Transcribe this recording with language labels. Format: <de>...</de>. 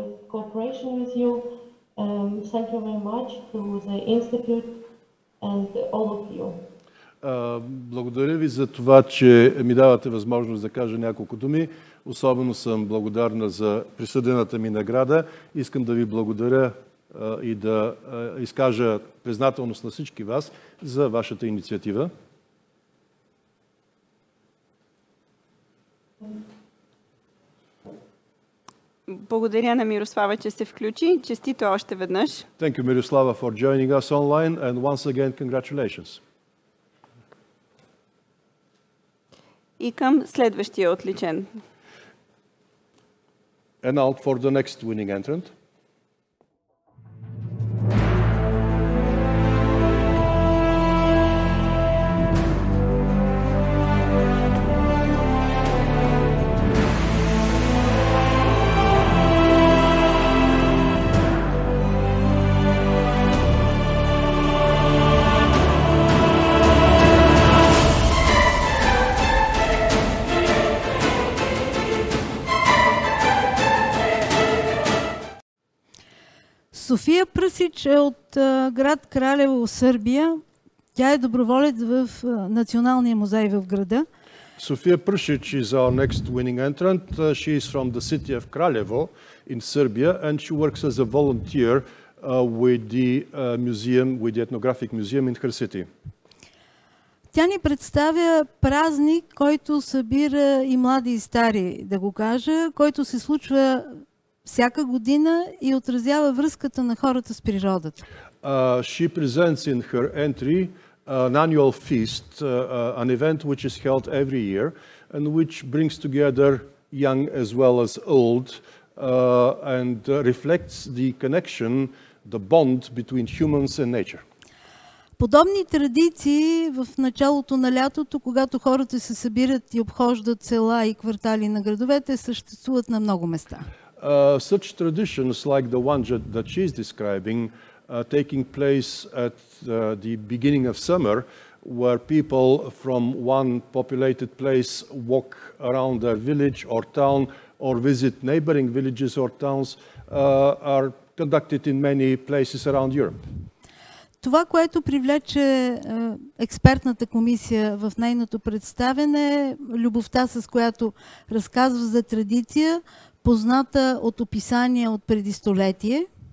<en>Thank you very much to the Institute and all of you.</en> <bg>Благодаря ви за това, че ми давате възможност да кажа няколко думи. Особено съм благодарна за присъдената ми награда. Искам да ви благодаря и да изкажа признателност на всички вас за вашата инициатива. Благодаря на Мирослава, че се включи. Честито още веднъж.</bg> <en>Thank you, Мирослава, for joining us online and once again, congratulations.</en> <bg>И към следващия отличен.</bg> <en>And out for the next winning entrant.</en> <bg>София Пръсич е от град Кралево, Сърбия. Тя е доброволец в Националния музей в града.</bg> <en>София Пръсич is our next winning entrant. She is from the city of Kraljevo in Serbia and she works as a volunteer with the museum, with the ethnographic museum in her city.</en> <bg>Тя ни представя празник, който събира и млади и стари, да го кажа, който се случва всяка година и отразява връзката на хората с природата.</bg> <en>She presents in her entry an annual feast, an event which is held every year and which brings together young as well as old and reflects the connection, the bond between humans and nature.</en> <bg>Подобни традиции в началото на лятото, когато хората се събират и обхождат села и квартали на градовете, съществуват на много места.</bg> <en>Such traditions like the one that she's describing, taking place at the beginning of summer, where people from one populated place walk around their village or town or visit neighboring villages or towns, are conducted in many places around Europe.</en> <bg>Това, което привлече експертната комисия в нейното представене, любовта, с която разказва за традиция, позната от описания от преди столетие.</bg>